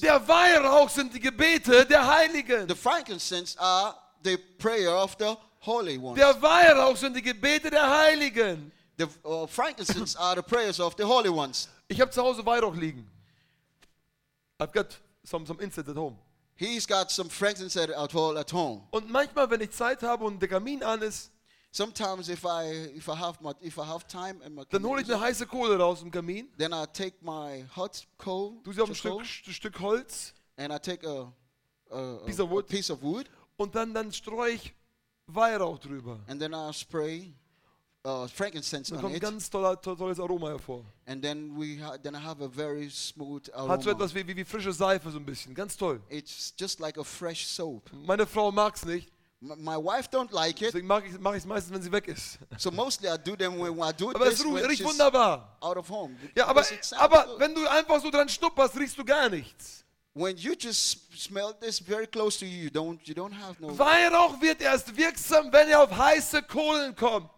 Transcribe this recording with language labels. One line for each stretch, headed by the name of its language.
German: Der Weihrauch sind die Gebete der Heiligen.
English: The frankincense are the prayer of the holy ones.
German: Der Weihrauch sind die Gebete der Heiligen.
English: The frankincense are the prayers of the holy ones.
German: Ich habe zu Hause Weihrauch liegen.
English: I've got some incense at home. He's got some frankincense at home.
German: Und manchmal, wenn ich Zeit habe und der Kamin an ist,
English: sometimes if I have time and my
German: dann hole ich eine heiße Kohle raus im Kamin.
English: Then I take my hot coal.
German: Du siehst auch ein Stück Holz.
English: And I take a piece of wood.
German: Und dann streue ich Weihrauch drüber.
English: And then I spray frankincense on it.
German: Kommt ganz tolles Aroma hervor.
English: And then I have a very smooth aroma.
German: Hat so etwas wie frische Seife so ein bisschen, ganz toll.
English: It's just like a fresh soap.
German: Meine Frau mag's nicht.
English: My wife don't like it.
German: Deswegen mach ich es meistens, wenn sie weg ist.
English: So mostly I do them when I do
German: aber
English: this.
German: Aber es riecht wunderbar.
English: Out of home.
German: Ja, aber wenn du einfach so dran schnupperst, riechst du gar nichts.
English: When you just smell this very close to you, you don't have no.
German: Weihrauch wird erst wirksam, wenn er auf heiße Kohlen kommt.